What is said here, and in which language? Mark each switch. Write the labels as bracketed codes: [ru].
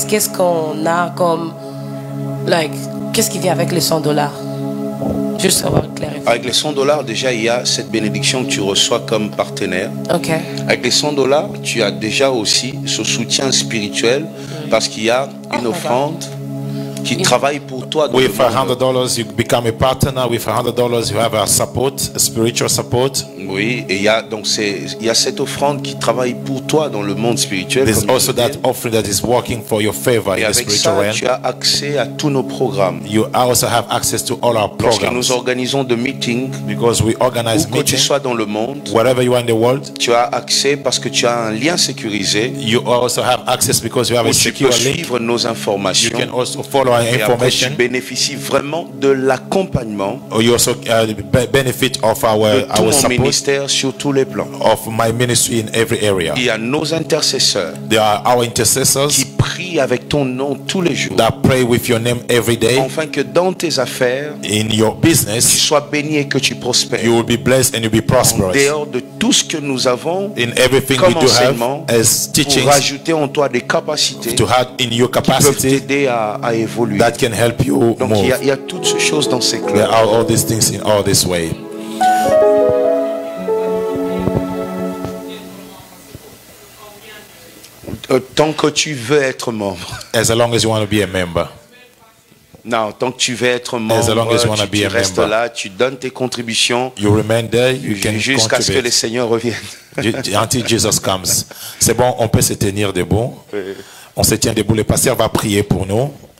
[fr] Qu'est-ce qu'on a comme, like, qu'est-ce qui vient avec le 100 dollars? Juste avoir clarifié. Avec les 100 dollars, déjà, il y a cette bénédiction que tu reçois comme partenaire. Ok. Avec les 100 dollars, tu as déjà aussi ce soutien spirituel, parce qu'il y a une offrande. God. Qui travaille pour toi. [en] With $100, you become a partner. With $100, you have a support, a spiritual support. [fr] Oui, et il y a cette offrande qui travaille pour toi dans le monde spirituel. [en] There's also that offering that is working for your favor in the spiritual realm. [fr] Et avec ça, tu as accès à tous nos programmes. [en] You also have access to all our programs. [fr] Lorsque nous organisons des meetings, [en] because we organize [fr] meetings, où que tu sois dans le monde, [en] wherever you are in the world, [fr] tu as accès parce que tu as un lien sécurisé. [en] You also have access because you have a secure link. [fr] Tu peux suivre nos informations. [en] You can also follow. [fr] Et après, tu bénéficies vraiment de l'accompagnement. [en] You also benefit of our [fr] de tout [en] our [fr] mon ministère sur tous les plans. [en] Of my ministry in every area. [fr] Il y a nos intercesseurs. [en] There are our intercessors [fr] qui prient avec ton nom tous les jours. [en] That pray with your name every day. [fr] Enfin que dans tes affaires, [en] in your business, [fr] tu sois béni et que tu prospères. [en] You will be blessed and you'll be prosperous. [fr] En dehors de tout ce que nous avons, [en] in everything [fr] comme [en] we do [fr] enseignement, [en] have, as teachings, [fr] pour rajouter en toi des capacités, [en] to add in your capacity, [fr] qui peuvent t'aider à [en] that can help you. [fr] Donc [en] move. [fr] Il y a toutes ces choses dans ces clubs. [en] There are all these things in all this way. [fr] Tant que tu veux être membre. [en] As long as you want to be a member. [fr] Non, tant que tu veux être membre, tu restes [en] member, [fr] là, tu donnes tes contributions. [en] You remain there, you [fr] jusqu'à [en] can [fr] jusqu'à ce que le Seigneur revienne. [en] Until Jesus comes. [fr] C'est bon, on peut se tenir debout. On se tient debout. Le pasteur va prier pour nous.